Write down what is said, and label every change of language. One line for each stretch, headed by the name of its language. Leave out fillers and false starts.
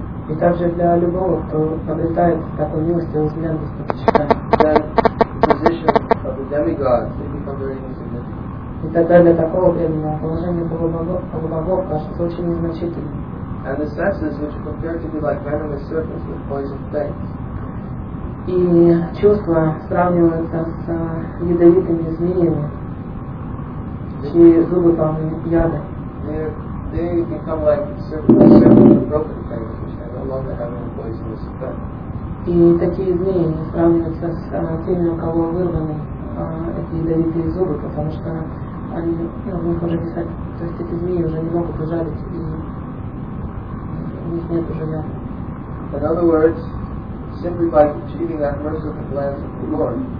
Russian: И также для любого, кто обретает такой милостивый взгляд Господа Чайтанья. И тогда для такого преданного положение полубогов кажется очень незначительным.
English: And the senses, which are compared to be like venomous serpents with poisoned fangs.
Russian: И чувства сравниваются с ядовитыми змеями. чьи зубы полны яда.
English: They become like simple broken things, which no longer have any poisonous effect.
Russian: И такие змеи не сравниваются с теми, у кого вырваны эти ядовитые зубы, потому что они, ну, у них уже не сад, то есть эти змеи уже не могут ужалить, и у них нет уже яда.
English: In other words, simply by achieving that merciful glance of the Lord.